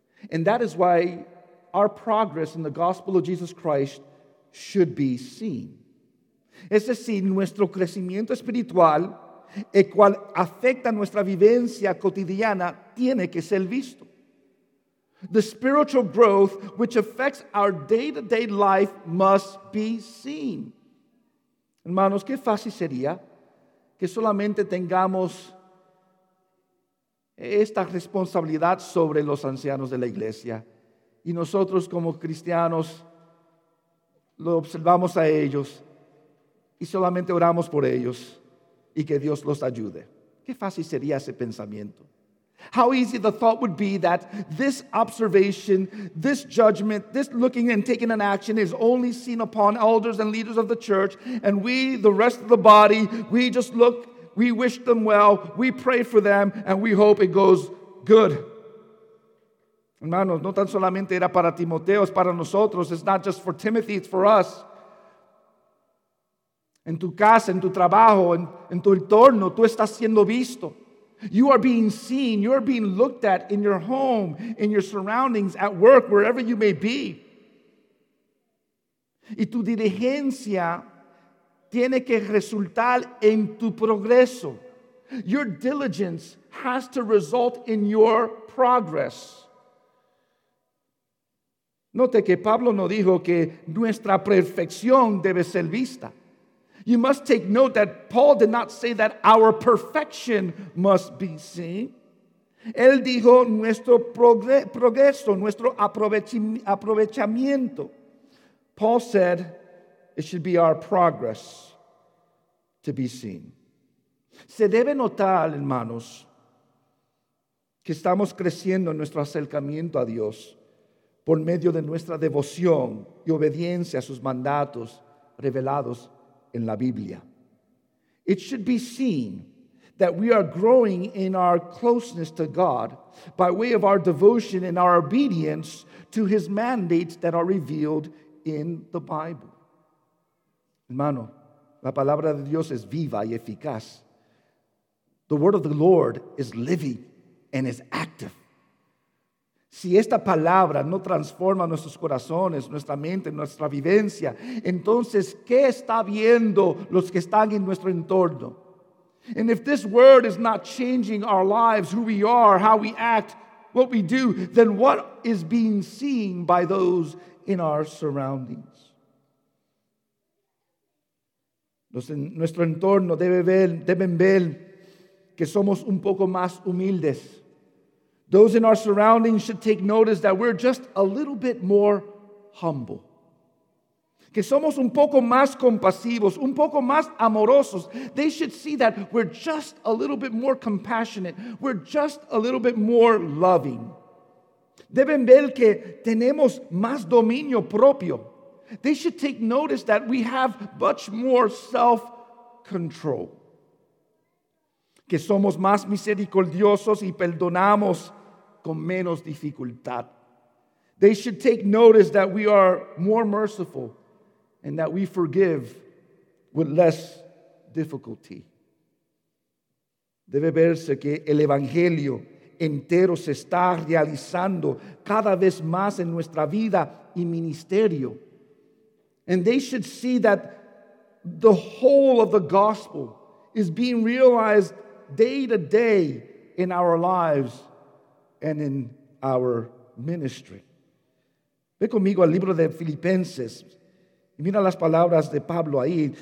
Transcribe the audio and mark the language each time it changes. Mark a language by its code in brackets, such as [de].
[en] And that is why our progress in the gospel of Jesus Christ should be seen. [es] Es decir, nuestro crecimiento espiritual, el cual afecta nuestra vivencia cotidiana, tiene que ser visto. [en] The spiritual growth which affects our day-to-day life must be seen. [es] Hermanos, qué fácil sería que solamente tengamos esta responsabilidad sobre los ancianos de la iglesia y nosotros como cristianos lo observamos a ellos y solamente oramos por ellos y que Dios los ayude. Qué fácil sería ese pensamiento. [en] How easy the thought would be that this observation, this judgment, this looking and taking an action is only seen upon elders and leaders of the church, and we, the rest of the body, we just look, we wish them well, we pray for them, and we hope it goes good. [es] Hermanos, no tan solamente era para Timoteo, es para nosotros. [en] It's not just for Timothy, it's for us. [es] En tu casa, en tu trabajo, en tu entorno, tú estás siendo visto. [en] You are being seen, you are being looked at in your home, in your surroundings, at work, wherever you may be. [es] Y tu diligencia tiene que resultar en tu progreso. [en] Your diligence has to result in your progress. [es] Note que Pablo no dijo que nuestra perfección debe ser vista. [en] You must take note that Paul did not say that our perfection must be seen. [es] Él dijo nuestro progreso, nuestro aprovechamiento. [en] Paul said it should be our progress to be seen. [es] Se debe notar, hermanos, que estamos creciendo en nuestro acercamiento a Dios por medio de nuestra devoción y obediencia a sus mandatos revelados en la Biblia. [en] It should be seen that we are growing in our closeness to God by way of our devotion and our obedience to His mandates that are revealed in the Bible. [es] Hermano, la palabra de Dios es viva y eficaz. [en] The word of the Lord is living and is active. [es] Si esta palabra no transforma nuestros corazones, nuestra mente, nuestra vivencia, entonces, ¿qué está viendo los que están en nuestro entorno? [en] And if this word is not changing our lives, who we are, how we act, what we do, then what is being seen by those in our surroundings? [es] Nuestro entorno deben ver que somos un poco más humildes. [en] Those in our surroundings should take notice that we're just a little bit more humble. [es] Que somos un poco más compasivos, un poco más amorosos. [en] They should see that we're just a little bit more compassionate. We're just a little bit more loving. [es] Deben ver que tenemos más dominio propio. [en] They should take notice that we have much more self-control. [es] Que somos más misericordiosos y perdonamos con menos dificultad. [en] They should take notice that we are more merciful and that we forgive with less difficulty. [es] Debe verse que el evangelio entero se está realizando cada vez más en nuestra vida y ministerio. [en] And they should see that the whole of the gospel is being realized day to day in our lives and in our ministry. [es] Ve conmigo al libro de Filipenses. Mira las palabras de Pablo ahí.